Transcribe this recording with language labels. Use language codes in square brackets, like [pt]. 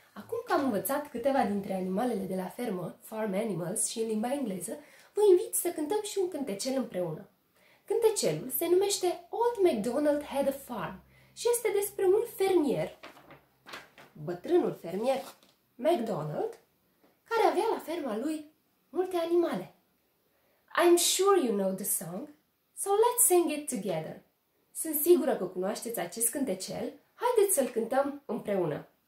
[ro] Acum că am învățat câteva dintre animalele de la fermă, [en] farm animals, [ro] și în limba engleză, vă invit să cântăm și un cântecel împreună. Cântecelul se numește Old MacDonald Had a Farm și este despre un fermier, bătrânul fermier, MacDonald, care avea la ferma lui multe animale. [en] I'm sure you know the song, so let's sing it together. [ro] Sunt sigură că cunoașteți acest cântecel, haideți să-l cântăm împreună.